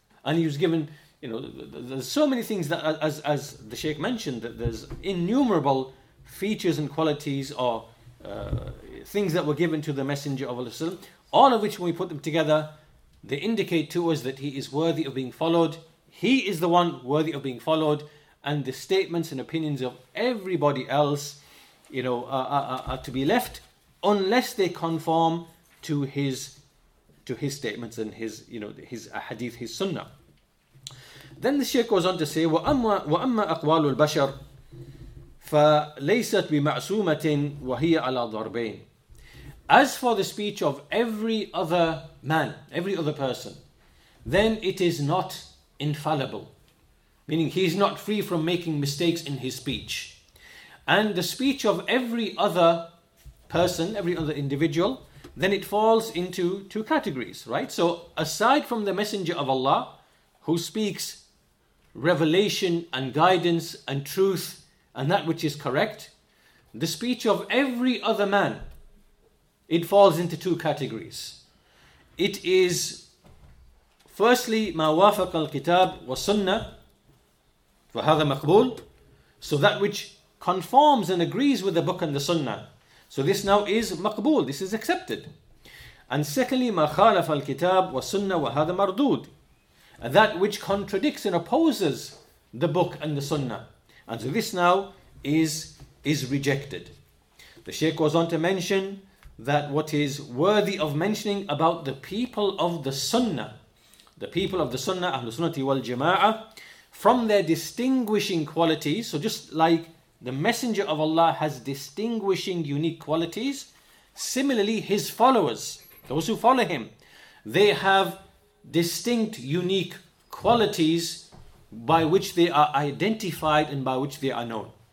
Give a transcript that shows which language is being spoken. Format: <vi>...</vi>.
<en>And he was given, you know, there's so many things that, as the Sheikh mentioned, that there's innumerable features and qualities or things that were given to the Messenger of Allah, all of which, when we put them together, they indicate to us that he is worthy of being followed. He is the one worthy of being followed. And the statements and opinions of everybody else, you know, are to be left unless they conform to his statements and his, you know, his hadith, his sunnah. Then the Sheikh goes on to say,</en> <ar>وَأَمَّا أَقْوَالُ الْبَشَرِ فَلَيْسَتْ بِمَعْصُومَةٍ وَهِيَ عَلَى ضَرْبَيْنِ.</ar> <en>As for the speech of every other man, every other person, then it is not infallible. Meaning he's not free from making mistakes in his speech. And the speech of every other person, every other individual, then it falls into two categories, right? So aside from the Messenger of Allah, who speaks revelation and guidance and truth and that which is correct, the speech of every other man, it falls into two categories. It is, firstly,</en> <ar>مَا وَافَقَ الْكِتَابِ وَالسُنَّةِ فَهَذَا مَقْبُولٌ.</ar> <en>So that which conforms and agrees with the book and the sunnah. So this now is maqbool, this is accepted. And secondly,</en> <ar>مَا خَالَفَ الْكِتَابِ وَالسُنَّةِ وَهَذَا مَرْدُودٌ.</ar> <en>And that which contradicts and opposes the book and the sunnah. And so this now is rejected. The Shaykh goes on to mention that what is worthy of mentioning about the people of the sunnah, the people of the sunnah, Ahlul Sunnati wal Jama'ah, from their distinguishing qualities, so just like the Messenger of Allah has distinguishing unique qualities, similarly his followers, those who follow him, they have distinct unique qualities by which they are identified and by which they are known.</en>